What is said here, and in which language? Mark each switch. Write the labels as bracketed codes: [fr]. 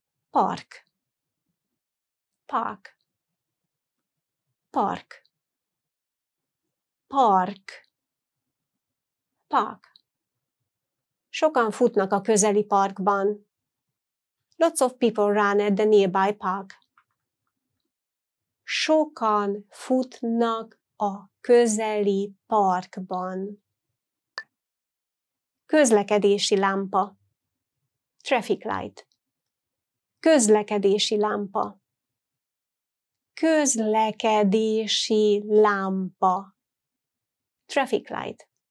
[en] Park. Park. Park. Park. Park. [hu] Sokan futnak a közeli parkban. [en] Lots of people run at the nearby park. [hu] Sokan futnak a közeli parkban. Közlekedési lámpa. [en] Traffic light. [hu] Közlekedési lámpa. Közlekedési lámpa. [en] Traffic light.